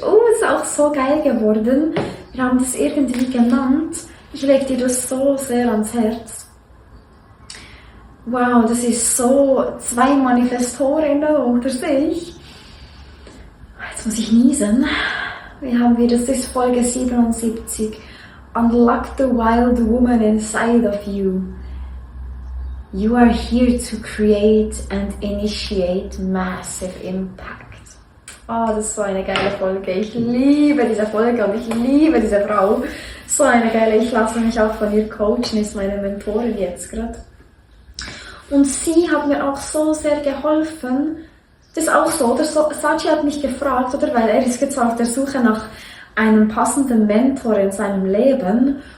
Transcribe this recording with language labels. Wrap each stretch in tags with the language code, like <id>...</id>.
<de>Oh, ist auch so geil geworden. Wir haben das irgendwie genannt. Ich lege dir das so sehr ans Herz. Wow, das ist so zwei Manifestorinnen unter sich. Jetzt muss ich niesen. Wie haben wir das? Das ist Folge 77.</de> <en>Unlock the wild woman inside of you. You are here to create and initiate massive impact.</en> <de>Oh, das ist so eine geile Folge. Ich liebe diese Folge und ich liebe diese Frau. So eine geile. Ich lasse mich auch von ihr coachen, ist meine Mentorin jetzt gerade. Und sie hat mir auch so sehr geholfen. Das ist auch so, oder? Satchi hat mich gefragt, oder? Weil er ist jetzt auf der Suche nach einem passenden Mentor in seinem Leben.</de>